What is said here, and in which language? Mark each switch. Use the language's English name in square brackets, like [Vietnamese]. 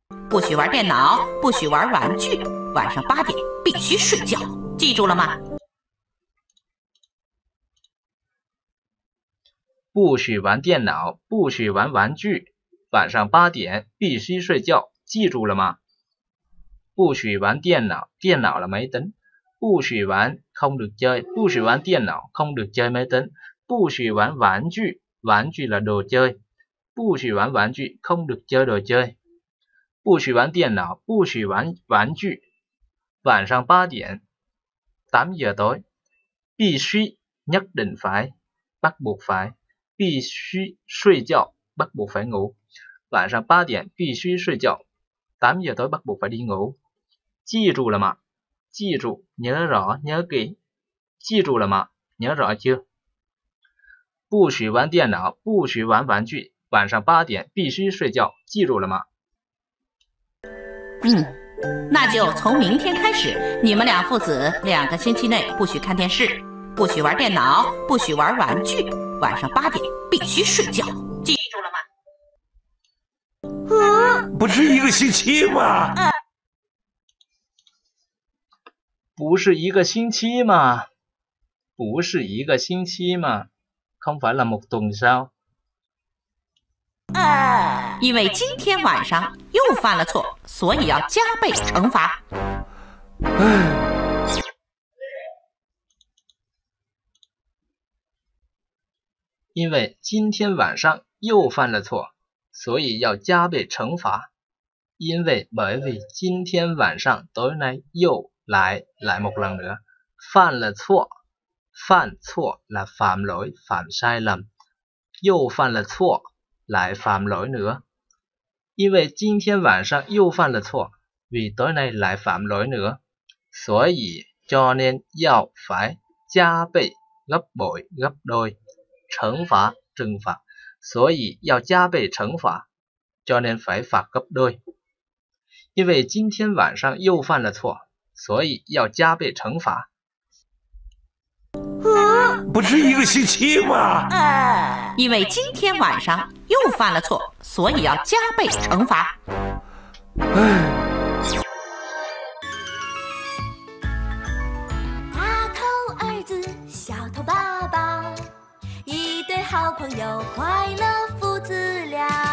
[Chinese] 不许玩电脑，不许玩玩具，晚上八点必须睡觉，记住了吗？不许玩电脑，不许玩玩具，晚上八点必须睡觉，记住了吗？不许玩电脑，电脑了没灯，不许玩 [Vietnamese] không được chơi, [Chinese] 不许玩电脑 [Vietnamese] không được chơi máy tính, [Chinese] 不许玩玩具 玩具 [Vietnamese] là đồ chơi, [Chinese] 不许玩玩具 [Vietnamese] không được chơi đồ chơi, [Chinese] 不许玩电脑 不许玩玩具, 晚上八点 [Vietnamese] 8 giờ tối, [Chinese] 必须 [Vietnamese] nhất định phải, bắt buộc phải, [Chinese] 必须 睡觉, [Vietnamese] bắt buộc phải ngủ, [Chinese] 晚上八点 必须 睡觉, [Vietnamese] 8 giờ tối bắt buộc phải đi ngủ, [Chinese] 记住了吗? 记住， [Vietnamese] nhớ rõ, nhớ kỹ. [Chinese] 记住了吗? [Vietnamese] Nhớ rõ chưa? [Chinese] 不许玩电脑，不许玩玩具，晚上八点必须睡觉，记住了吗？那就从明天开始，你们俩父子两个星期内不许看电视，不许玩电脑，不许玩玩具，晚上八点必须睡觉，记住了吗？不是一个星期吗？不是一个星期吗？不是一个星期吗？ [Vietnamese] không phải là một tuần sao? [Chinese] 因为今天晚上又犯了错，所以要加倍惩罚。因为今天晚上又犯了错，所以要加倍惩罚。因为 [Vietnamese] bởi vì [Chinese] 今天晚上 [Vietnamese] tối nay [Chinese] 又来 [Vietnamese] một lần nữa, [Chinese] 犯了错, 犯错 [Vietnamese] là phạm lỗi, phạm sai lầm, [Chinese] 又犯了错, 来 [Vietnamese] phạm lỗi nữa, [Chinese] 因为今天晚上又犯了错, [Vietnamese] vì tối nay lại phạm lỗi nữa, [Chinese] 所以 [Vietnamese] cho nên [Chinese] 要 [Vietnamese] phải [Chinese] 加倍 [Vietnamese] gấp bội, gấp đôi, [Chinese] 惩罚 [Vietnamese] trừng phạt, [Chinese] 所以要加倍惩罚, [Vietnamese] cho nên phải phạt gấp đôi, [Chinese] 因为今天晚上又犯了错,所以要加倍惩罚。不是一个星期吗？因为今天晚上又犯了错，所以要加倍惩罚。大头儿子，小头爸爸，一对好朋友，快乐父子俩。